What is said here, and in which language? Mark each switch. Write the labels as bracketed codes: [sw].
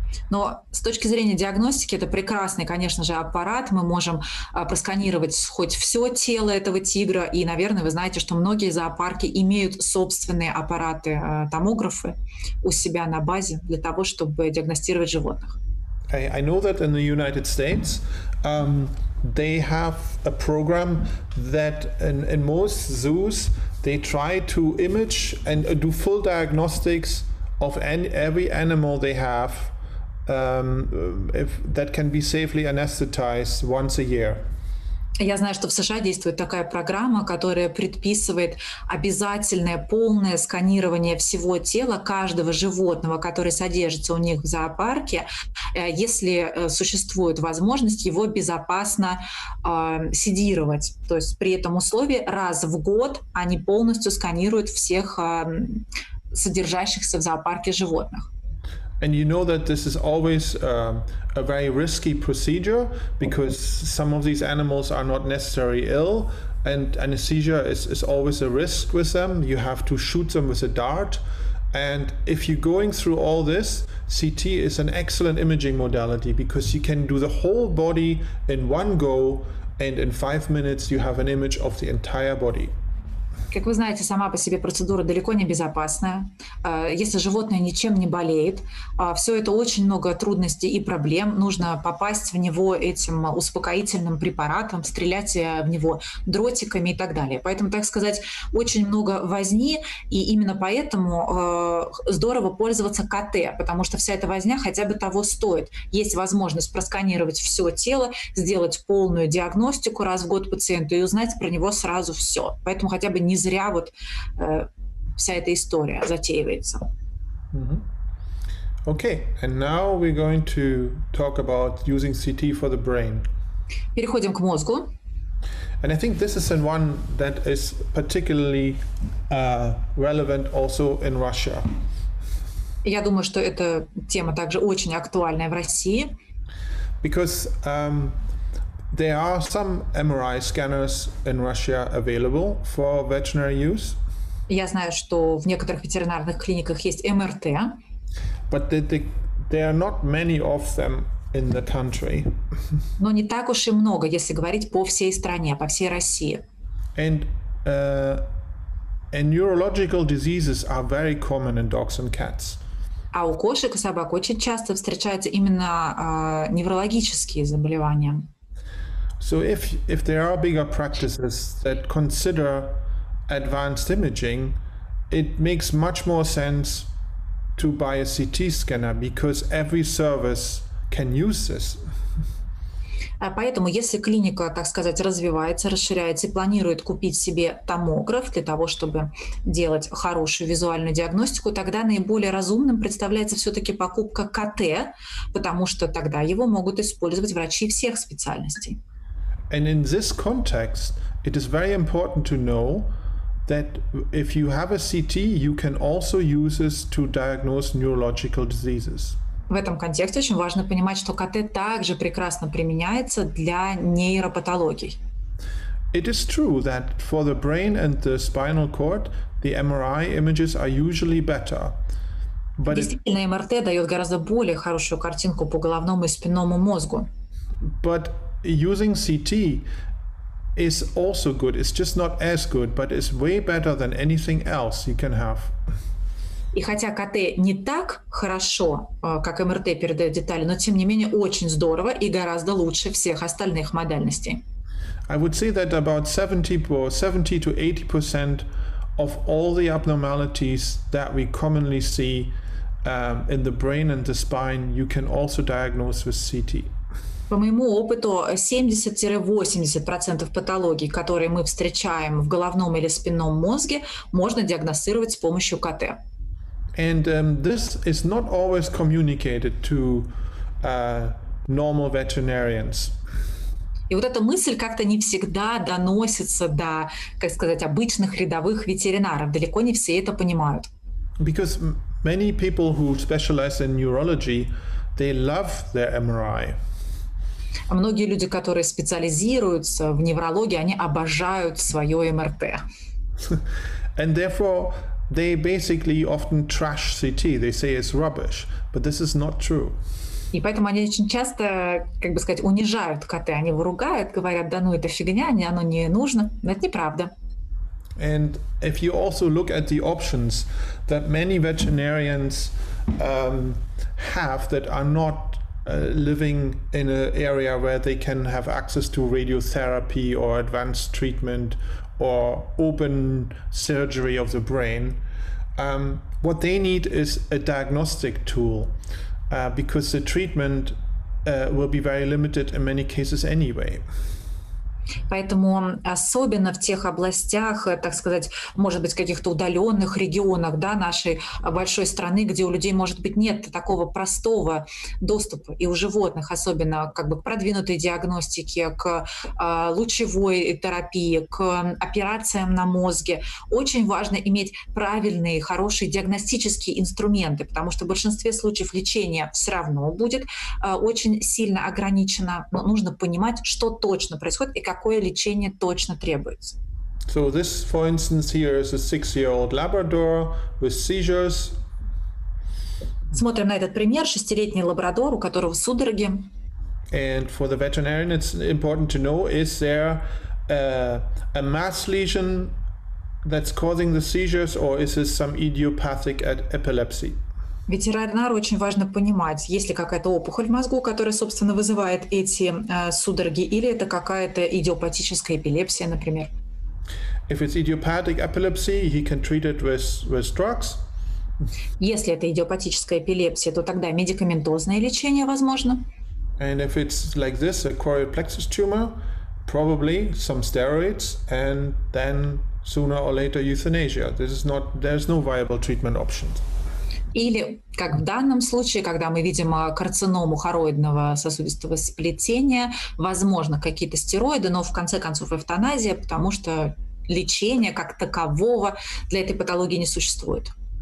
[ru] Но с точки зрения диагностики, это прекрасный, конечно же, аппарат. Мы можем просканировать хоть все тело этого тигра. И, наверное, вы знаете, что многие зоопарки имеют собственные аппараты, томографы у себя на базе для того, чтобы диагностировать животных. [en] I know that in the United States they have a program that in most zoos they try to image and do full diagnostics of every animal they have. If that can be safely anesthetized once a year. [ru] Я знаю, что в США действует такая программа, которая предписывает обязательное полное сканирование всего тела каждого животного, которое содержится у них в зоопарке, если существует возможность его безопасно седировать. То есть при этом условии раз в год они полностью сканируют всех содержащихся в зоопарке животных. [en] And you know that this is always a very risky procedure because some of these animals are not necessarily ill, and anesthesia is always a risk with them. You have to shoot them with a dart, and if you're going through all this, CT is an excellent imaging modality because you can do the whole body in one go, and in 5 minutes you have an image of the entire body. [ru] Как вы знаете, сама по себе процедура далеко не безопасная. Если животное ничем не болеет, все это очень много трудностей и проблем. Нужно попасть в него этим успокоительным препаратом, стрелять в него дротиками и так далее. Поэтому, так сказать, очень много возни, и именно поэтому здорово пользоваться КТ, потому что вся эта возня хотя бы того стоит. Есть возможность просканировать все тело, сделать полную диагностику раз в год пациенту и узнать про него сразу все. Поэтому хотя бы не зря вот вся эта история затеивается. Mm-hmm. [en] Okay, and now we're going to talk about using CT for the brain. [ru] Переходим к мозгу. [en] And I think this is one that is particularly relevant also in Russia. [ru] Я думаю, что эта тема также очень актуальная в России. [en] Because there are some MRI scanners in Russia available for veterinary use. [ru] Я знаю, что в некоторых ветеринарных клиниках есть МРТ. [en] But there are not many of them in the country. [ru] Но не так уж и много, если говорить по всей стране, по всей России. [en] And neurological diseases are very common in dogs and cats. [ru] А у кошек и собак очень часто встречаются именно неврологические заболевания. [en] So if there are bigger practices that consider advanced imaging, it makes much more sense to buy a CT scanner because every service can use this. [ru] Поэтому, если клиника, так сказать, развивается, расширяется и планирует купить себе томограф для того, чтобы делать хорошую визуальную диагностику, тогда наиболее разумным представляется все-таки покупка КТ, потому что тогда его могут использовать врачи всех специальностей. [en] And in this context, it is very important to know that if you have a CT, you can also use this to diagnose neurological diseases. [ru] В этом контексте очень важно понимать, что КТ также прекрасно применяется для нейропатологий. [en] It is true that for the brain and the spinal cord, the MRI images are usually better. But [ru] действительно, МРТ дает гораздо более хорошую картинку по головному и спинному мозгу. [en] But using CT is also good. It's just not as good, but it's way better than anything else you can have. [ru] И хотя КТ не так хорошо, как МРТ передает детали, но тем не менее очень здорово и гораздо лучше всех остальных модальностей. [en] I would say that about 70 to 80% of all the abnormalities that we commonly see in the brain and the spine, you can also diagnose with CT. [ru] По моему опыту, 70-80% патологий, которые мы встречаем в головном или спинном мозге, можно диагностировать с помощью КТ. [en] And this is not always communicated to normal veterinarians. [ru] И вот эта мысль как-то не всегда доносится до, как сказать, обычных рядовых ветеринаров. Далеко не все это понимают. [en] Because many people who specialize in neurology, they love their MRI. [ru] А многие люди, которые специализируются в неврологии, они обожают свое МРТ. [en] And therefore, they basically often trash CT. They say it's rubbish, but this is not true. [ru] И поэтому они очень часто, как бы сказать, унижают КТ. Они его ругают, говорят, да ну это фигня, оно не нужно. Это неправда. [en] And if you also look at the options that many veterinarians have that are not living in an area where they can have access to radiotherapy or advanced treatment or open surgery of the brain, what they need is a diagnostic tool because the treatment will be very limited in many cases anyway. [ru] Поэтому особенно в тех областях, так сказать, может быть, каких-то удаленных регионах, да, нашей большой страны, где у людей, может быть, нет такого простого доступа, и у животных, особенно как бы к продвинутой диагностике, к лучевой терапии, к операциям на мозге, очень важно иметь правильные, хорошие диагностические инструменты, потому что в большинстве случаев лечение все равно будет очень сильно ограничено. Но нужно понимать, что точно происходит и какое лечение точно требуется. [en] So this, for instance, here is a 6-year-old Labrador with seizures. [ru] Смотрим на этот пример, 6-летний лабрадор, у которого судороги. [en] And for the veterinarian, it's important to know, is there a mass lesion that's causing the seizures, or is this some idiopathic epilepsy? [ru] Ветеринару очень важно понимать, есть ли какая-то опухоль в мозгу, которая, собственно, вызывает эти судороги, или это какая-то идиопатическая эпилепсия, например. [en] If it's idiopathic epilepsy, he can treat it with drugs. [ru] Если это идиопатическая эпилепсия, то тогда медикаментозное лечение возможно. [en] And if it's like this, a choroid plexus tumor, probably some steroids, and then sooner or later euthanasia. There's no viable treatment options. [ru] Или, как в данном случае, когда мы видим карциному хороидного сосудистого сплетения, возможно, какие-то стероиды, но в конце концов эвтаназия, потому что лечения как такового для этой патологии не существует.